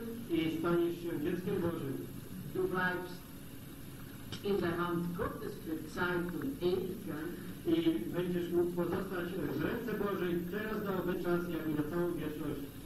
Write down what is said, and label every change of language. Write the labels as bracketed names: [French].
[Polish] I staniesz się dzieckiem Bożym. [German] Du bleibst in der Hand Gottes für Zeit und Ewigkeit. [Polish] I będziesz mógł pozostać w ręce Bożej teraz na owy czas, jak i na całą wieczność.